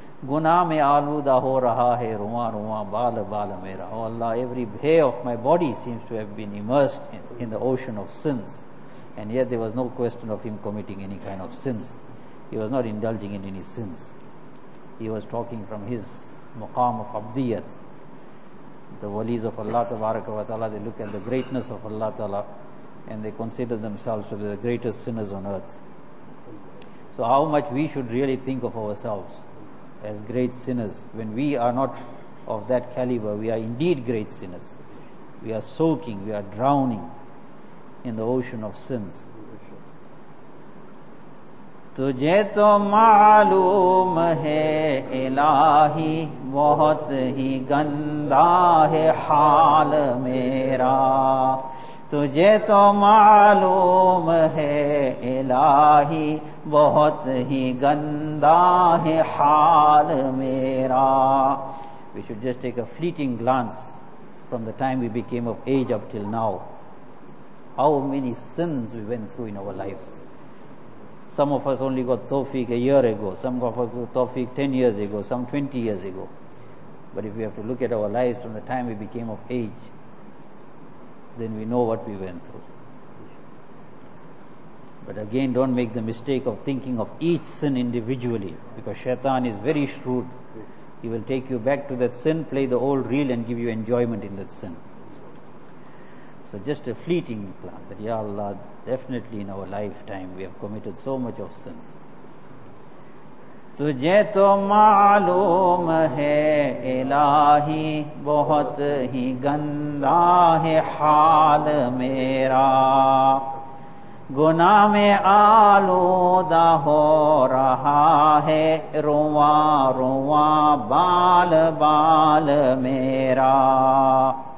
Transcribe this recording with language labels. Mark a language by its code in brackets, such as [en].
[ur] گناہ میں آلودہ ہو رہا ہے رواں رواں بال بال میرا [en] او اللہ every hair of my body seems to have been immersed in the ocean of sins and yet there was no question of him committing any kind of sins he was not indulging in any sins he was talking from his مقام of عبدیت The walis of Allah tabaraka wa ta'ala, they look at the greatness of Allah ta'ala and they consider themselves to be the greatest sinners on earth. So how much we should really think of ourselves as great sinners when we are not of that caliber, we are indeed great sinners. We are soaking, we are drowning in the ocean of sins. [ur] تجھے تو معلوم ہے الہی بہت ہی گندا ہے حال میرا تجھے تو معلوم ہے الہی بہت ہی گندا ہے حال میرا [en] We should just take a fleeting glance from the time we became of age up till now. How many sins we went through in our lives. Some of us only got tawfiq a year ago, some of us got tawfiq 10 years ago, some 20 years ago. But if we have to look at our lives from the time we became of age, then we know what we went through. But again, don't make the mistake of thinking of each sin individually, because shaitan is very shrewd. He will take you back to that sin, play the old reel and give you enjoyment in that sin. So just a fleeting plan that, Ya Allah, definitely in our lifetime we have committed so much of sins. [ur] تجھے تو معلوم ہے الہی بہت ہی گندا ہے حال میرا، گناہ میں آلودہ ہو رہا ہے رواں رواں بال بال میرا،